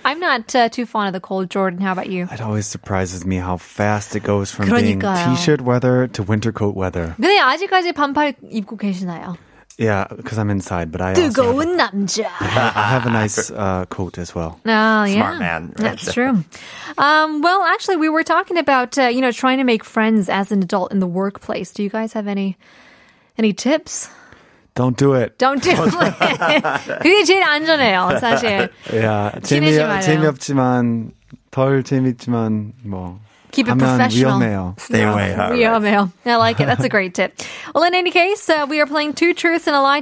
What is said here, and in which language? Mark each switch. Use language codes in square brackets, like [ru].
[en] I'm not too fond of the cold, Jordan. How about you? It always surprises me how fast it goes from [ko] 그러니까요. [en] being t-shirt weather to winter coat weather. [ko] 근데 아직까지 반팔 입고 계시나요? [en] Yeah, because I'm inside, but I also have a nice coat as well. Oh, yeah. Smart man. That's true. Well, actually, we were talking about, you know, trying to make friends as an adult in the workplace. Do you guys have any tips? Don't do it. Don't do it. [ko] 그게 제일 안전해요, 사실. Yeah, 재미없지만, 덜 재미있지만, 뭐. [en] Keep it professional. [ko] 위험해요. [en] Stay away. Yeah. [ko] 위험해요. [en] I like it. That's a great tip. Well, in any case, we are playing Two Truths and a Lie.